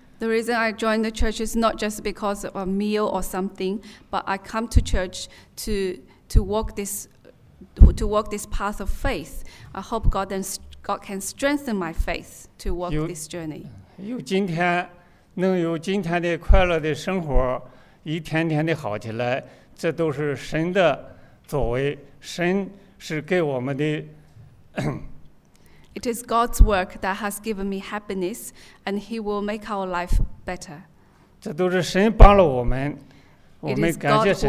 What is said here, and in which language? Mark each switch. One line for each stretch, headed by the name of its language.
English: The reason I joined the church is not just because of a meal or something, but I come to church to walk this path of faith. I hope God can strengthen my faith to walk this journey.
Chinese: 有今天，能有今天的快乐的生活，一天天的好起来，这都是神的作为。神是给我们的。
English: It is God's work that has given me happiness, and He will make our life better.
Chinese: 这都是神帮了我们，我们感谢神。